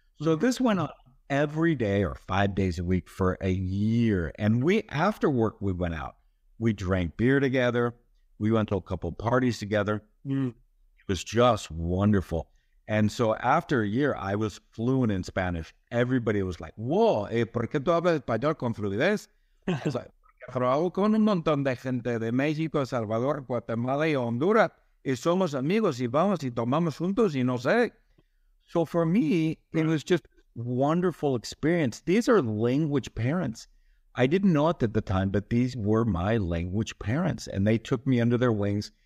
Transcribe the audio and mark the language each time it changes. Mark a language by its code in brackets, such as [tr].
[en] So this went on every day or 5 days a week for a year. And we, after work, we went out. We drank beer together. We went to a couple parties together. Mm. It was just wonderful. And so after a year, I was fluent in Spanish. Everybody was like, whoa, [es] ¿por qué tú hablas español con fluidez? [en] I was like, [es] trabajo con un montón de gente de México, Salvador, Guatemala y Honduras. Y somos amigos y vamos y tomamos juntos y no sé. [en] So for me, it was just wonderful experience. These are language parents. I didn't know it at the time, but these were my language parents, and they took me under their wings.